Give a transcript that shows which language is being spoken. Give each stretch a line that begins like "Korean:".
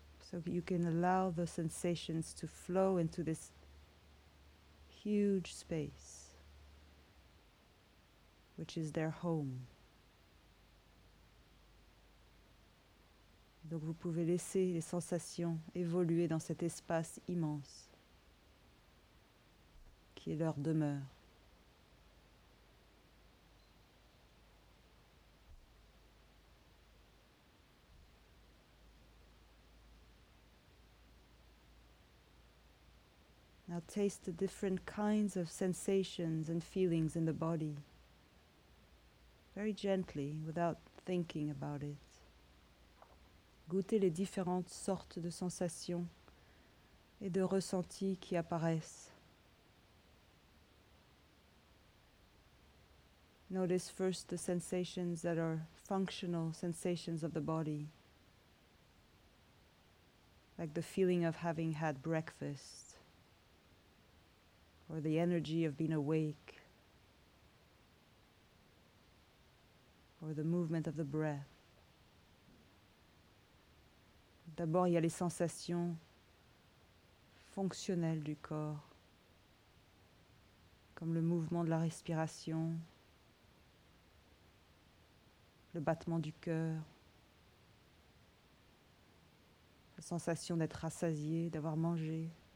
English: So you can allow the sensations to flow into this huge space, which is their home.
French: Donc vous pouvez laisser les sensations évoluer dans cet espace immense qui est leur demeure.
English: Now taste the different kinds of sensations and feelings in the body, very gently, without thinking about it.
French: Goûtez les différentes sortes de sensations et de ressentis qui apparaissent.
English: Notice first the sensations that are functional sensations of the body, like the feeling of having had breakfast, or the energy of being awake, or the movement of the breath.
French: D'abord, il y a les sensations fonctionnelles du corps, comme le mouvement de la respiration, le battement du cœur, la sensation d'être rassasié, d'avoir mangé.